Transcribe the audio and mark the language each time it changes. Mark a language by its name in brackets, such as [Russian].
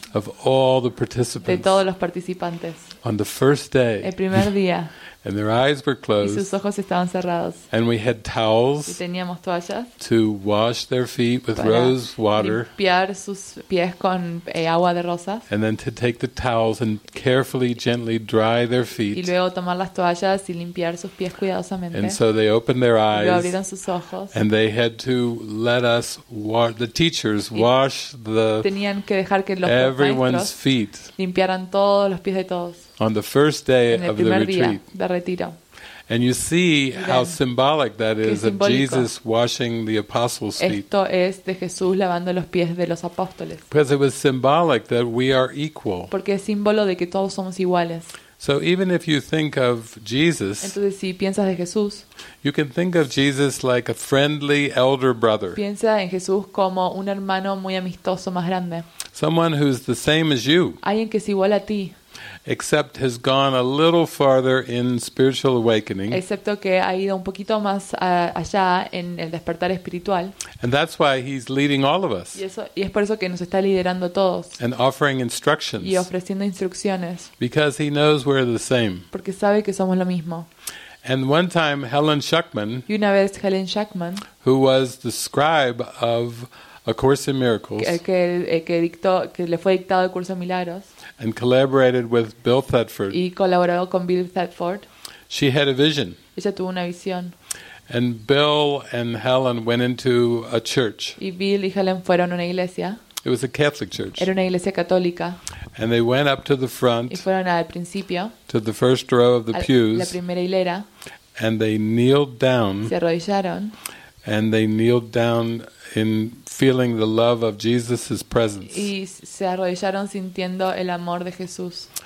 [English] Of all the participants. [Spanish] De todos los participantes. [English] On the first day. [Spanish] El primer día. [English] And their eyes were closed. [Spanish] Y sus ojos estaban cerrados. [English] And we had towels. [Spanish] Y teníamos toallas. [English] To wash their feet with rose water. [Spanish] Para limpiar sus pies con agua de rosas. [English] And then to take the towels and carefully, gently dry their feet. [Spanish] Y luego tomar las toallas y limpiar sus pies cuidadosamente. [English] And so they opened their eyes. [Spanish] Y abrieron sus ojos. [English] And they had to let us wash the teachers wash the. [Spanish] Tenían que dejar que los [English] everyone's feet. [Spanish] Limpiaran todos los pies de todos. [English] On the first day of the retreat. [Spanish] De retiro. [English] And you see how symbolic that is of Jesus washing the apostles' feet. [Spanish] Esto es de Jesús lavando los pies de los apóstoles. [English] Because it was symbolic that we are equal. [Spanish] Porque es símbolo de que todos somos iguales. [English] So even if you think of Jesus, [Spanish] entonces si piensas de Jesús, [English] you can think of Jesus like a friendly elder brother. [Spanish] Piensa en Jesús como un hermano muy amistoso más grande. [English] Someone who's the same as you. [Spanish] Alguien que es igual a ti. [English] except has gone a little farther in spiritual awakening. [Spanish] Excepto que ha ido un poquito más allá en el despertar espiritual. [English] And that's why he's leading all of us. [Spanish] Y es por eso que nos está liderando a todos. [English] And offering instructions. [Spanish] Y ofreciendo instrucciones. [English] Because he knows we're the same. [Spanish] Porque sabe que somos lo mismo. [English] And one time Helen Schuckman, [Spanish] y una vez Helen Schuckman, [English] who was the scribe of A Course in Miracles, [Spanish] que le fue dictado el curso de milagros, [English] and collaborated with Bill Thetford. [Spanish] Y colaboró con Bill Thetford. [English] She had a vision. [Spanish] Ella tuvo una visión. [English] And Bill and Helen went into a church. [Spanish] Y Bill y Helen fueron a una iglesia. [English] It was a Catholic church. [Spanish] Era una iglesia católica. [English] And they went up to the front. [Spanish] Y fueron al principio. [English] To the first row of the pews. [Spanish] La primera hilera. [English] And they kneeled down. [Spanish] Se arrodillaron. [English] And they kneeled down in feeling the love of Jesus's presence. [Spanish] Y se arrodillaron sintiendo el amor de Jesús.